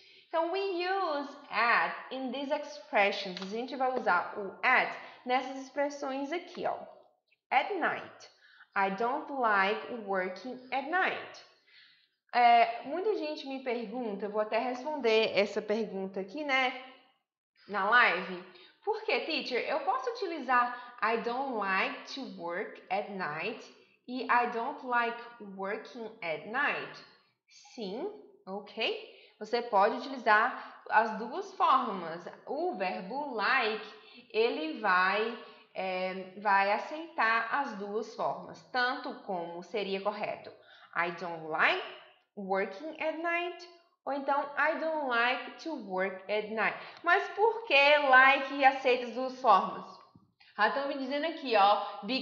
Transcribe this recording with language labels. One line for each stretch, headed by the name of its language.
Portuguese: Então,
English: we use at in these expressions.
Portuguese: A gente vai usar o at nessas expressões aqui, ó.
English: At night. I don't like working at night.
Portuguese: É, muita gente me pergunta, vou até responder essa pergunta aqui, né? Na live. Por que, teacher? Eu posso utilizar
English: I don't like to work at night e I don't like working at night?
Portuguese: Sim, ok. Você pode utilizar as duas formas. O verbo like, ele vai aceitar as duas formas. Tanto como seria correto
English: I don't like working at night.
Portuguese: Ou então,
English: I don't like to work at night.
Portuguese: Mas por que like e aceita as duas formas? Já estão me dizendo aqui, ó.